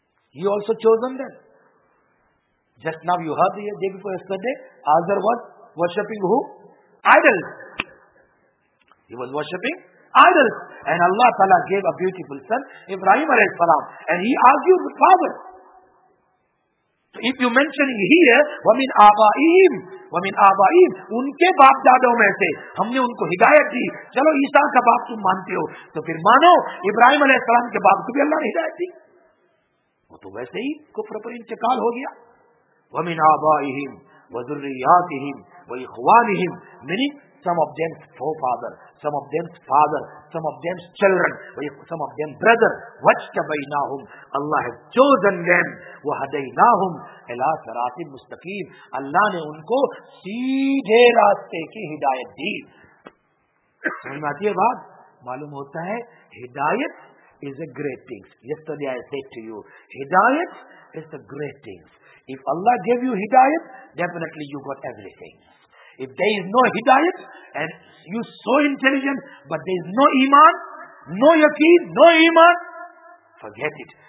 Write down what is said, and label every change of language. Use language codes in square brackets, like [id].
[en] He also chosen them. Just now you heard the day before yesterday, Azar was worshipping who? Idols. He was worshipping idols. And Allah Ta'ala gave a beautiful son, Ibrahim alayhi salam. And he argued with father. So if you mention here, [ar] وَمِنْ آبَائِهِمْ وَمِنْ آبَائِهِمْ [ur] ان کے باپ دادوں میں سے ہم نے ان کو ہدایت دی, چلو عیسیٰ کا باپ تم مانتے ہو تو پھر مانو ابراہیم علیہ السلام کے باپ کو بھی اللہ نے ہدایت دی, وہ تو ویسے ہی کفر پر انتقال ہو گیا. [ar] وَمِنْ آبَائِهِمْ وَذُرِّيَّاتِهِمْ وَإِخْوَانِهِمْ [en] many some of them forefather, some of them father, some of them children, some of them brother, [ar] وَجْتَبَيْنَاهُمْ [en] Allah has chosen them, [ar] وَهَدَيْنَاهُمْ إِلَىٰ صِرَاطِ مُسْتَقِيمِ [en] Allah [ur] نے ان کو سیدھے راستے کی ہدایت دی. سمجھاتی ہے بات, معلوم ہوتا ہے ہدایت [en] is a great thing. Yesterday I said to you, ہدایت is a great thing. If Allah gave you hidayat, definitely you got everything. If there is no hidayat, and you so intelligent, but there is no iman, no yaqeen, no iman, forget it.